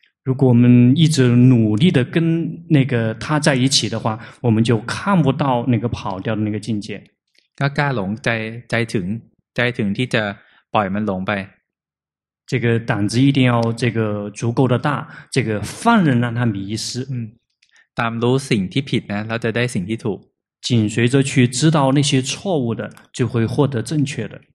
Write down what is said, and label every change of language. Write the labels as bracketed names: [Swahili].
[Chinese] 如果我们一直努力的跟那个他在一起的话我们就看不到那个跑掉的那个境界 [Thai] ก็กล้าหลงใจถึงที่จะปล่อยมันหลงไป [Chinese] 这个胆子一定要这个足够的大这个放任让他迷失 [Thai] ตามรู้สิ่งที่ผิดนะเราจะได้สิ่งที่ถูก [Chinese] 紧随着去知道那些错误的就会获得正确的